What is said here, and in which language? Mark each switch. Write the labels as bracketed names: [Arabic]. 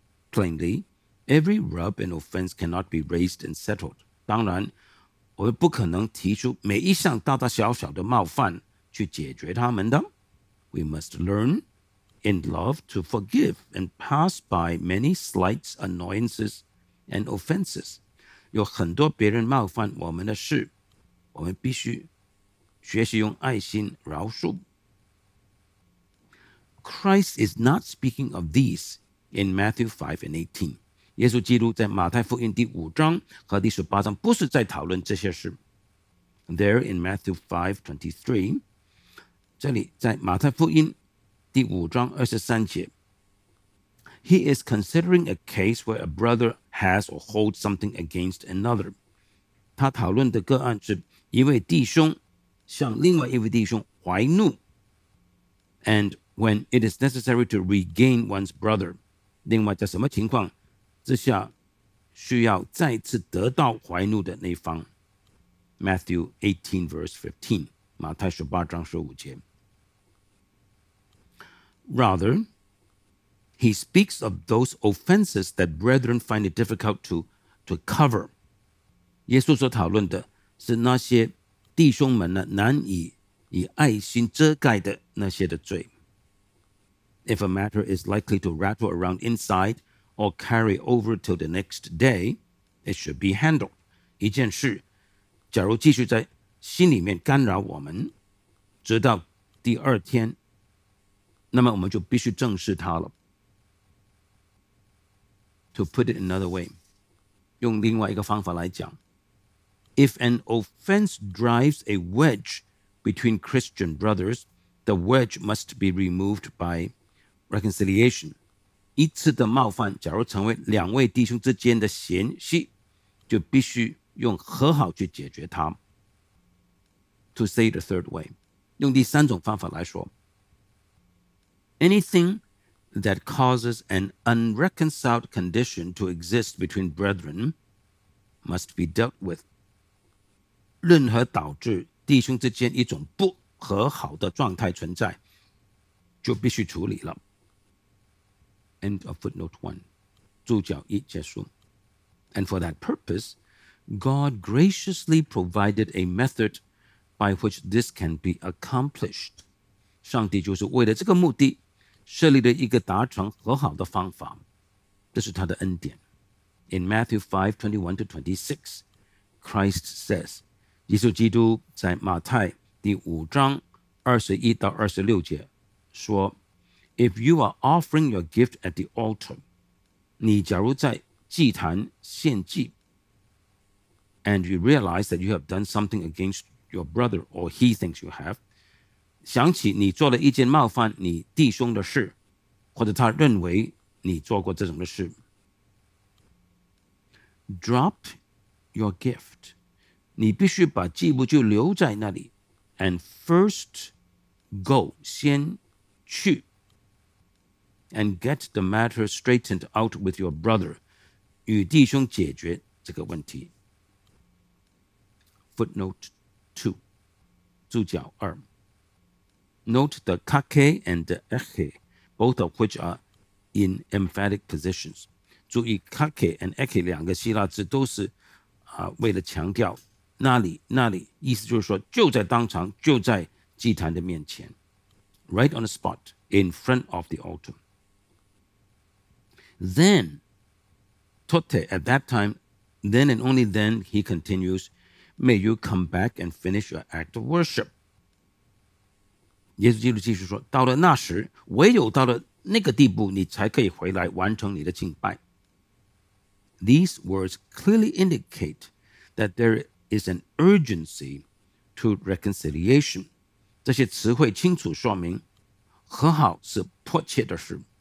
[English] Plainly， every rub and offense cannot be raised and settled， [Chinese] 当然我们不可能提出每一项大大小小的冒犯去解决他们的。 [English] We must learnIn love to forgive and pass by many slights, annoyances, and offenses. [Chinese] 有很多别人冒犯我们的事，我们必须学习用爱心饶恕。 [English] Christ is not speaking of these in Matthew 5 and 18. [Chinese] 耶稣基督在马太福音第五章和第十八章不是在讨论这些事。 [English] There in Matthew 5:23, [Chinese] 这里在马太福音第五章二十三节， [English] He is considering a case where a brother has or holds something against another. [Chinese] 他讨论的个案是一位弟兄向另外一位弟兄怀怒。 [English] And when it is necessary to regain one's brother, [Chinese] 另外在什么情况之下需要再次得到怀怒的那方。 [English] Matthew 18:15, [Chinese] 马太十八章十五节。 [English] Rather, he speaks of those offenses that brethren find it difficult to cover. [Chinese] 耶稣所讨论的是那些弟兄们呢难以爱心遮盖的那些的罪。 [English] If a matter is likely to rattle around inside or carry over till the next day, it should be handled. [Chinese] 一件事，假如继续在心里面干扰我们，直到第二天。那么我们就必须正视它了。 [English] To put it another way, [Chinese] 用另外一个方法来讲， [English] If an offense drives a wedge between Christian brothers, the wedge must be removed by reconciliation. [Chinese] 一次的冒犯假如成为两位弟兄之间的嫌隙，就必须用和好去解决它。 [English] To say the third way, [Chinese] 用第三种方法来说， [English] Anything that causes an unreconciled condition to exist between brethren must be dealt with. [Chinese] 任何导致弟兄之间一种不和好的状态存在，就必须处理了。 [English] End of footnote 1. [Chinese] 注脚一结束。 [English] And for that purpose, God graciously provided a method by which this can be accomplished. [Chinese] 上帝就是为了这个目的设立了一个达成和好的方法，这是他的恩典。 [English] In Matthew 5:21-26, Christ says, [Chinese] 耶稣基督在马太第五章二十一到二十六节说， [English] If you are offering your gift at the altar, [Chinese] 你假如在祭坛献祭， [English] And you realize that you have done something against your brother, or he thinks you have, [Chinese] 想起你做了一件冒犯你弟兄的事，或者他认为你做过这种的事。 [English] Drop your gift. [Chinese] 你必须把祭物就留在那里。 [English] And first go, [Chinese] 先去。 [English] And get the matter straightened out with your brother. [Chinese] 与弟兄解决这个问题。 [English] Footnote 2. [Chinese] 注脚二。 [English] Note the kake and the eche, both of which are in emphatic positions. [Chinese] 注意 kake and eche 两个希腊字都是、为了强调那里那里，意思就是说就在当场，就在祭坛的面前。 [English] Right on the spot, in front of the altar. Then, tote, at that time, then and only then, he continues, may you come back and finish your act of worship. [Chinese] 耶稣基督继续说，到了那时，唯有到了那个地步，你才可以回来完成你的敬拜。 [English] These words clearly indicate that there is an urgency to reconciliation. [Chinese] 这些词汇清楚说明和好是迫切的事。